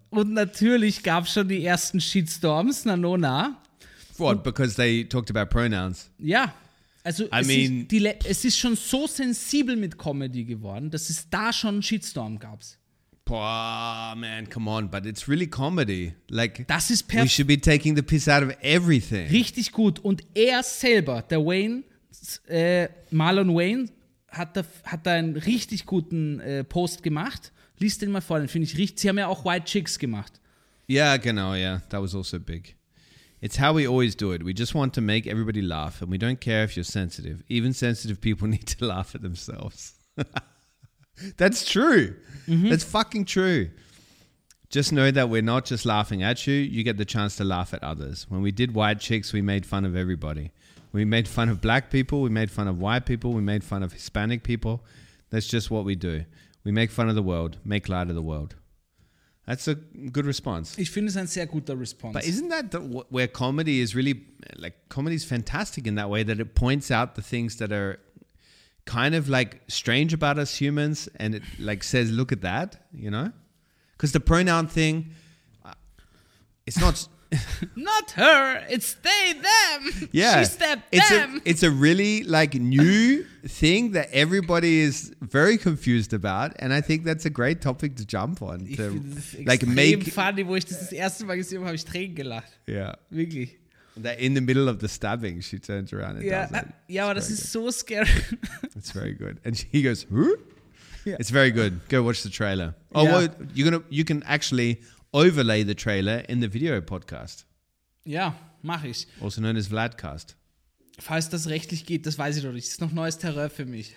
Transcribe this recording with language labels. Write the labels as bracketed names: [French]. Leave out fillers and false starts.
[German] Und natürlich gab es schon die ersten Shitstorms, Nanona. [English] What, because they talked about pronouns? Yeah. [German] Also es ist schon so sensibel mit Comedy geworden, dass es da schon einen Shitstorm gab. [English] Boah, man, come on. But it's really comedy. Like, [German] das ist [English] we should be taking the piss out of everything. [German] Richtig gut. Und er selber, der Wayne, Marlon Wayne, hat da einen richtig guten Post gemacht. Lies den mal vor, den finde ich richtig. Sie haben ja auch White Chicks gemacht. [English] Ja, yeah, genau, yeah. That was also big. It's how we always do it. We just want to make everybody laugh and we don't care if you're sensitive. Even sensitive people need to laugh at themselves. That's true. Mm-hmm. That's fucking true. Just know that we're not just laughing at you. You get the chance to laugh at others. When we did White Chicks, we made fun of everybody. We made fun of black people, we made fun of white people, we made fun of Hispanic people. That's just what we do. We make fun of the world, make light of the world. That's a good response. [German] Ich finde es ein sehr guter Response. [English] But isn't that where comedy is really, like, comedy is fantastic in that way, that it points out the things that are kind of, like, strange about us humans and it, like, says, look at that, you know? Because the pronoun thing, it's not... Not her, it's they, them. Yeah. She stepped them. It's a really like new thing that everybody is very confused about. And I think that's a great topic to jump on. [German] Ich finde like extrem make, funny, wo ich das erste Mal gesehen habe, habe ich Tränen gelacht. [English] Yeah. [German] Wirklich. [English] That in the middle of the stabbing, she turns around and yeah. does it. [German] Yeah, aber das ist so scary. [English] It's very good. And he goes, who? Yeah. It's very good. Go watch the trailer. Oh, yeah. Well, you can actually... overlay the trailer in the video podcast. [German] Ja, mach ich. [English] Also known as Vladcast. [German] Falls das rechtlich geht, das weiß ich doch nicht. Das ist noch neues Terror für mich.